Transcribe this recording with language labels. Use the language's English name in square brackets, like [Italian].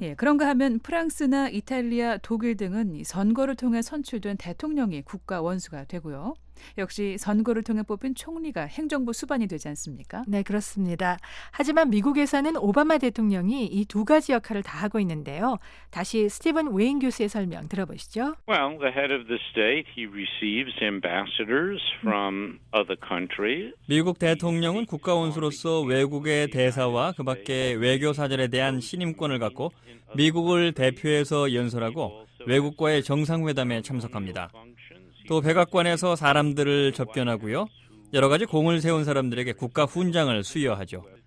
[Korean] 예, 그런가 하면 프랑스나 이탈리아, 독일 등은 선거를 통해 선출된 대통령이 국가 원수가 되고요. 역시 선거를 통해 뽑힌 총리가 행정부 수반이 되지 않습니까? 네, 그렇습니다. 하지만 미국에서는 오바마 대통령이 이 두 가지 역할을 다 하고 있는데요. 다시 스티븐 웨인 교수의 설명 들어보시죠. [English] Well, the head of the state, he receives ambassadors from other countries. [Korean] 미국 대통령은 국가 원수로서 외국의 대사와 그 밖에 외교 사절에 대한 신임권을 갖고 미국을 대표해서 연설하고 외국과의 정상회담에 참석합니다. 또 백악관에서 사람들을 접견하고요. 여러 가지 공을 세운 사람들에게 국가 훈장을 수여하죠.